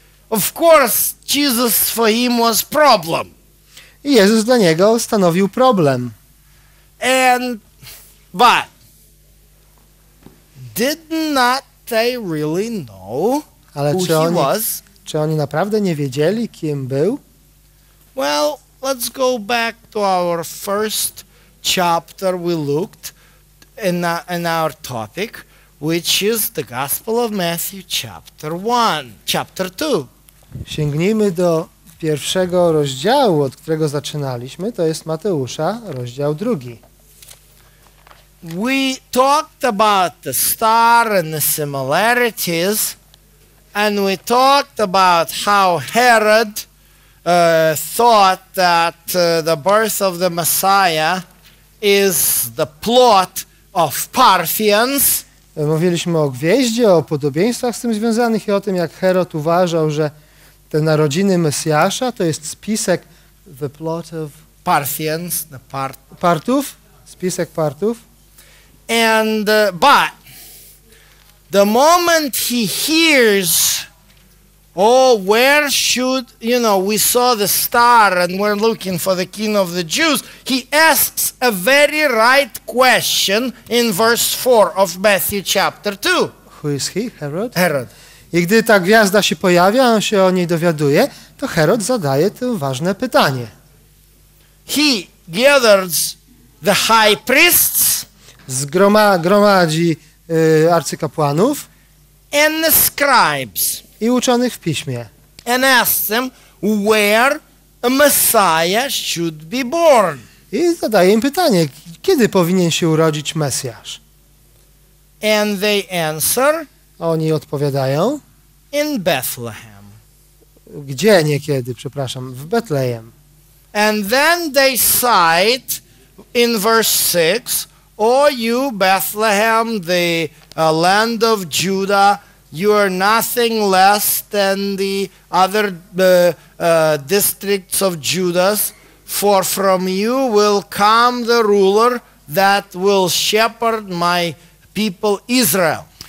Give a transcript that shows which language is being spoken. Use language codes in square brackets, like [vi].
[en] Of course Jesus for him was problem. [pl] I Jezus dla niego stanowił problem. [en] But did not they really know who he was? [pl] Czy oni naprawdę nie wiedzieli, kim był? [en] Well, let's go back to our first chapter we looked in our topic, which is the Gospel of Matthew, chapter 1, chapter 2. [pl] Sięgnijmy do pierwszego rozdziału, od którego zaczynaliśmy, to jest Mateusza, rozdział 2. [en] We talked about the star and the similarities, and we talked about how Herod thought that the birth of the Messiah is the plot of Parthians. [pl] Mówiliśmy o gwieździe, o podobieństwach z tym związanych i o tym, jak Herod uważał, że te narodziny Mesjasza to jest spisek [en] the plot of Parthians, the [pl] Partów, spisek Partów. [en] And but the moment he hears, oh, where should, you know, we saw the star and we're looking for the king of the Jews, he asks a very right question in verse 4 of Matthew chapter 2. Who is he, Herod? Herod. [pl] I gdy ta gwiazda się pojawia, on się o niej dowiaduje, to Herod zadaje to ważne pytanie. [en] He gathers the high priests. [pl] Zgromadzi arcykapłanów. [en] And the scribes. [pl] I uczonych w piśmie. [en] And asks them where a Messiah should be born. [pl] I zadaje im pytanie, kiedy powinien się urodzić Mesjasz? [en] And they answer. [pl] Oni odpowiadają. [en] In Bethlehem. [pl] Gdzie niekiedy, przepraszam, w Betlejem. [en] And then they cite in verse 6, O you Bethlehem, the land of Judah, you are nothing less than the other districts of Judah, for from you will come the ruler that will shepherd my people Israel.